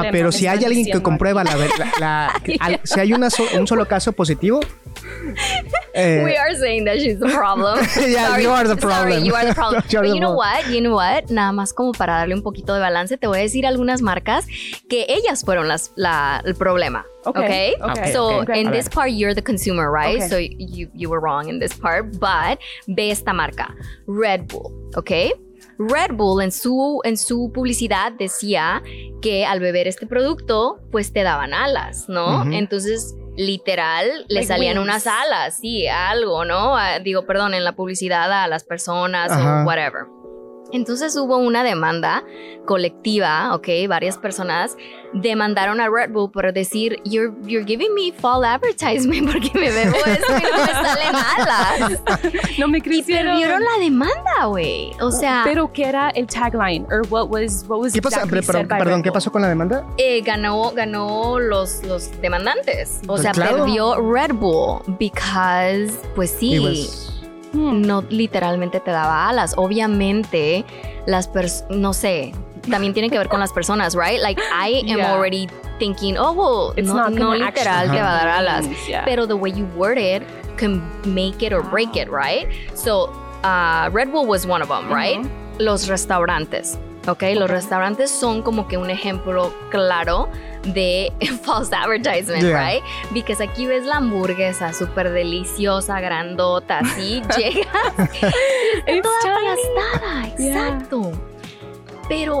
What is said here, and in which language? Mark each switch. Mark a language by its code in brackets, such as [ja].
[es] Ajá, pero si hay alguien que comprueba si hay un solo caso positivo. [en] We are saying that she's the problem. Yeah, sorry, you are the problem. Sorry, you are the problem. No, you're the problem. You know what? [es] Nada más como para darle un poquito de balance, te voy a decir algunas marcas que ellas fueron el problema. [en] Okay. So okay. In this part, you're the consumer, right? Okay. So you were wrong in this part, but [es] ve esta marca, [en] Red Bull, okay? [es] Red Bull en su publicidad decía que al beber este producto, pues te daban alas, ¿no? Mm-hmm. Entonces, literal, le like salían wings. Unas alas, sí, algo, ¿no? Digo, perdón, en la publicidad a las personas o whatever. Entonces hubo una demanda colectiva, okay, varias personas demandaron a Red Bull por decir [en] you're giving me false advertisement [es] porque me bebo eso y no me salen alas. No me crecieron. Y perdieron la demanda, güey. O sea, pero qué era el tagline [en] or what was [es] ¿qué pasó? Perdón, ¿qué pasó con la demanda? Ganó los demandantes. O sea, claro. Perdió Red Bull because pues sí. No literalmente te daba alas. Obviamente, no sé, también tiene que ver con las personas, right? [en] Like, I am already thinking, oh, well, [es] no literal te va a dar alas. [en] Pero the way you word it can make it or break it, right? So, Red Bull was one of them, right? [es] Los restaurantes, [en] okay? [es] Los restaurantes son como que un ejemplo claro de [en] false advertisement, [es] right? Because aquí ves la hamburguesa súper deliciosa, grandota, así llegas y toda aplastada, exacto. Pero